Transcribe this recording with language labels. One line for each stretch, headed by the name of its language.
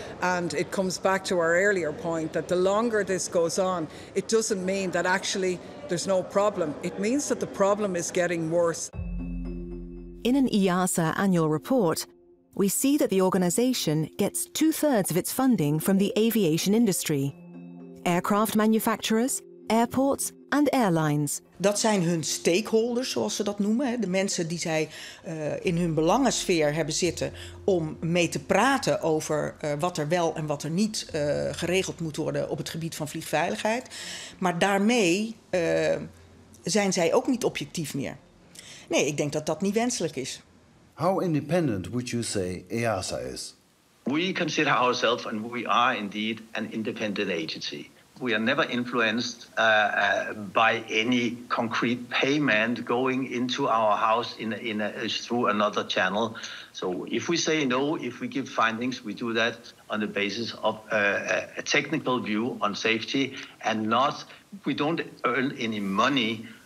English: And it comes back to our earlier point that the longer this goes on, it doesn't mean that actually there's no problem. It means that the problem is getting worse. In an EASA annual report, we see that the organization gets 2/3 of its funding from the aviation industry. Aircraft manufacturers, airports and airlines.
Dutch: Dat zijn hun stakeholders, zoals ze dat noemen. De mensen die zij in hun belangensfeer hebben zitten om mee te praten over wat er wel en wat er niet geregeld moet worden op het gebied van vliegveiligheid. Maar daarmee zijn zij ook niet objectief meer. Nee, ik denk dat dat niet wenselijk is.
English: How independent would you say EASA is? We consider ourselves, and we are indeed, an independent agency. We are never influenced by any concrete payment going into our house through another channel. So if we say no, if we give findings, we do that on the basis of a technical view on safety, and not, we don't earn any money